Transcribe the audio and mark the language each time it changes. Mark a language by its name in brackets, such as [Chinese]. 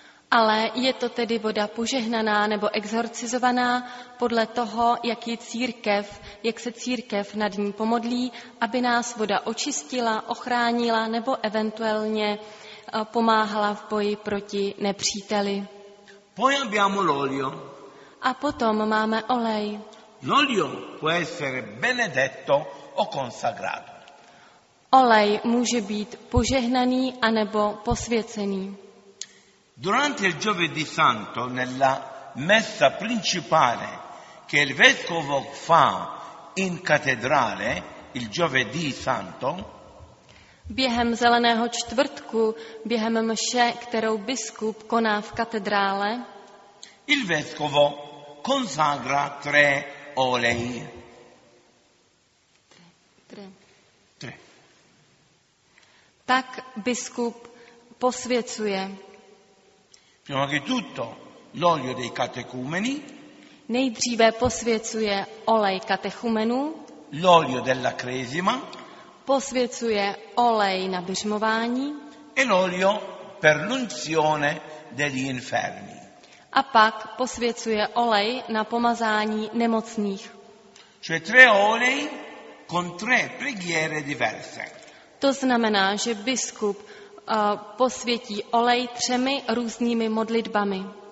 [Czech] Ale je to tedy voda požehnaná nebo exorcizovaná podle toho, jak se církev nad ní pomodlí, aby nás voda očistila, ochránila nebo eventuálně pomáhala v boji proti nepříteli. [Italian] Poi abbiamo l'olio. [Czech] A potom máme olej. [Italian] L'olio può essere benedetto o consacrato. [Czech] Olej může být požehnaný anebo posvěcený. [Italian] Durante il Giovedì Santo, nella messa principale che il vescovo fa in cattedrale, il giovedì santo. [Czech] Během zeleného čtvrtku, během mše, kterou biskup koná v katedrále, [Italian] il vescovo consagra tre olei. [Czech] Tak biskup posvěcuje. [Italian] Prima che tutto l'olio dei catecumeni. [Czech] Nejdříve posvěcuje olej katechumenů. [Italian] L'olio della cresima. [Czech] Posvěcuje olej na biřmování. [Italian] E l'olio per l'unzione degli infermi. [Czech] A pak posvěcuje olej na pomazání nemocných. [Italian] Cioè tre olei con tre preghiere diverse. [Czech] To znamená, že biskup posvětí olej třemi různými modlitbami.